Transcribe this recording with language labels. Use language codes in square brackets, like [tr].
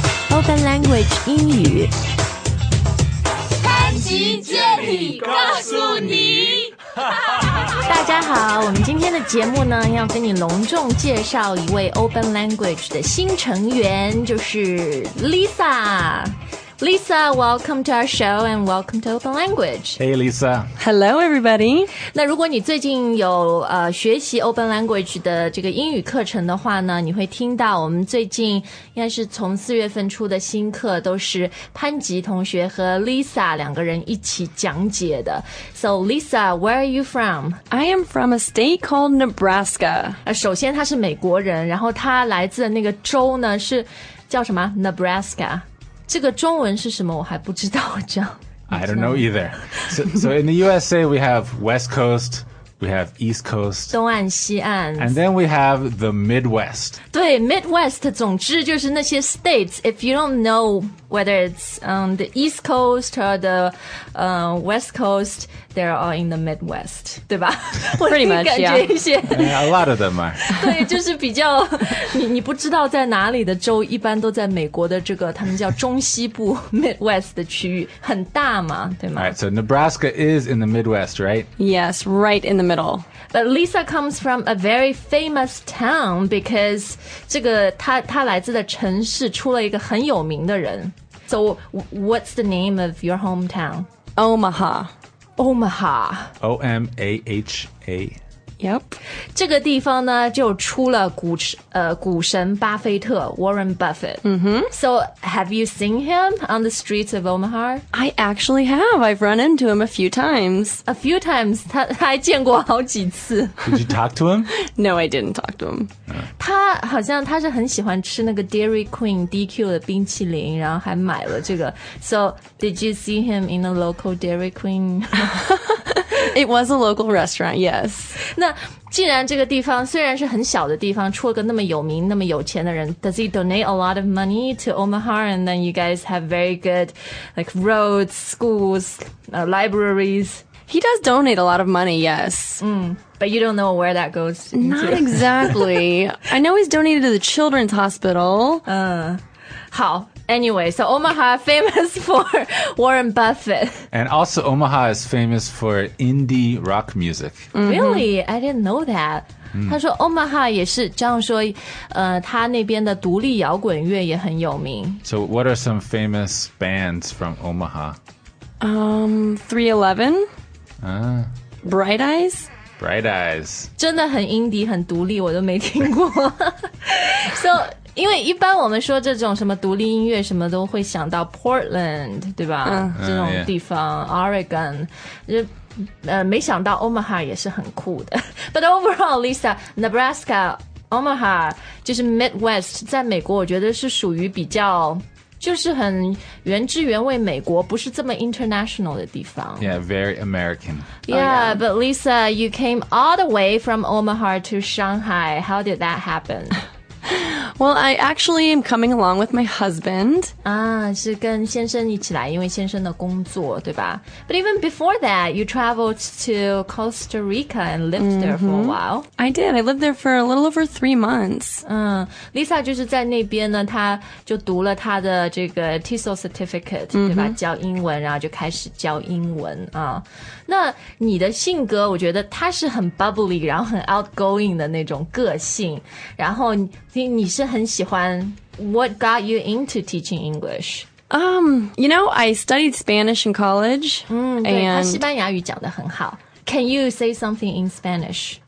[zh] Open Language 英语，潘吉杰里告诉你。大家好，我们今天的节目呢，要跟你隆重介绍一位 Open Language 的新成员，就是 Lisa。 [en] Lisa, welcome to our show and welcome to Open Language. Hey, Lisa. Hello, everybody. [zh] 那如果你最近有学习 Open Language 的这个英语课程的话呢，你会听到我们最近应该是从四月份出的新课都是潘吉同学和 Lisa 两个人一起讲解的。 [en] So, Lisa, where are you from? I am from a state called Nebraska. [zh] 首先他是美国人，然后他来自的那个州呢是叫什么 ?Nebraska. 这个中文是什么我还不知道这样。 [en] I don't know either. So in the USA, we have West Coast, we have East Coast. [zh] 东岸西岸。 [en] And then we have the Midwest. [zh] 对 ,Midwest, 总之就是那些 states. [en] If you don't know whether it's the East Coast or the West Coast, they're all in the Midwest, [zh] 对吧 [en] ?Pretty much, yeah. A lot of them are. [zh] 对就是比较你不知道在哪里的州一般都在美国的这个他们叫中西部 Midwest 的区域很大嘛对吗 [en] Alright, so Nebraska is in the Midwest, right? Yes, right in the middle. But Lisa comes from a very famous town because [zh] 这个他来自的城市出了一个很有名的人 [en] So what's the name of your hometown? Omaha. O-M-A-H-A. Yep. [zh] 这个地方呢就出了股神巴菲特 Warren Buffett. Mm-hmm. [en] So have you seen him on the streets of Omaha? I actually have. I've run into him a few times. A few times. [zh] 他还见过好几次。 [en] Did you talk to him? No, I didn't talk to him. [zh] 他好像他是很喜欢吃那个 Dairy Queen DQ 的冰淇淋然后还买了这个。 [en] So did you see him in a local Dairy Queen? It was a local restaurant, yes. [zh] 那既然这个地方虽然是很小的地方出了个那么有名那么有钱的人 [en] Does he donate a lot of money to Omaha? And then you guys have very good like roads, schools, libraries. He does donate a lot of money, yes. But you don't know where that goes. Not exactly. I know he's donated to the children's hospital. 好 Anyway, so Omaha famous for Warren Buffett. And also Omaha is famous for indie rock music. Really? I didn't know that. [zh] 他说 Omaha 也是这样说他那边的独立摇滚乐也很有名。 [en] So what are some famous bands from Omaha? 311. Bright Eyes. Bright Eyes. [zh] 真的很 indie, 很独立我都没听过。 [en] So... [zh] 因为一般我们说这种什么独立音乐什么都会想到 Portland, 对吧、这种地方、Oregon, 没想到 Omaha 也是很酷的。 [en] But overall, [zh] Lisa, Nebraska, Omaha, 就是 Midwest, 在美国我觉得是属于比较就是很原汁原味美国不是这么 international 的地方。 [en] Yeah, very American. Yeah, but Lisa, you came all the way from Omaha to Shanghai. How did that happen? Well, I actually am coming along with my husband. [zh] 是跟先生一起来，因为先生的工作，对吧？ [en] But even before that, you traveled to Costa Rica and lived there for a while. I did. I lived there for a little over 3 months. [zh] Lisa 就是在那边呢，她就读了她的这个 TESOL certificate, 对吧？教英文，然后就开始教英文啊。那你的性格，我觉得他是很 bubbly, 然后很 outgoing 的那种个性，然后你是很喜欢 [en] What got you into teaching English? You know, I studied Spanish in college. [zh] 对，他西班牙语讲得很好。 [en] Can you say something in Spanish?